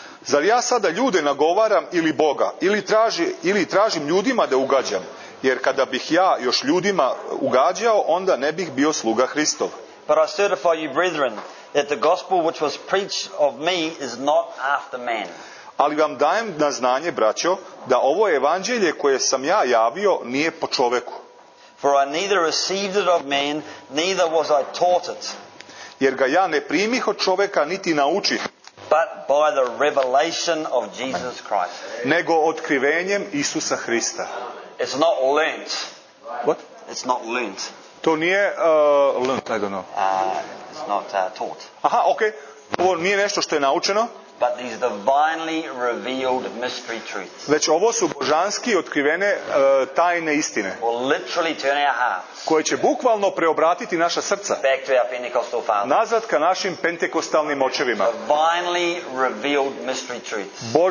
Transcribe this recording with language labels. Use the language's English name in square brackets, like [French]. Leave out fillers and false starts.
[Serbian] Zar ja sada ljude nagovaram ili Boga, ili tražim ljudima da ugađam? Jer kada bih ja još ljudima ugađao, onda ne bih bio sluga Hristov. [English] But I certify you, brethren, that the gospel which was preached of me is not after man. [Serbian] Ali vam dajem na znanje, braćo, da ovo evanđelje koje sam ja javio nije po čoveku. [English] For I neither received it of man, neither was I taught it. [Serbian] Jer ga ja ne primih od čoveka, niti naučih. [English] But by the revelation of Jesus Christ. [Serbian] Nego otkrivenjem Isusa Hrista. [English] It's not learnt. What? It's not learnt. To nije learnt, I don't know. It's not taught. [Serbian] Aha, okay. Ovo nije nešto što je naučeno. [English] but these divinely revealed mystery truths. [Serbian] Već ovo su božanski otkrivene tajne istine. [English] Will literally turn our hearts. [Serbian] Koje će bukvalno preobratiti naša srca. [English] Back to our Pentecostal fathers. [Serbian] Nazad ka našim pentekostalnim očevima. [English] Divinely revealed mystery truths.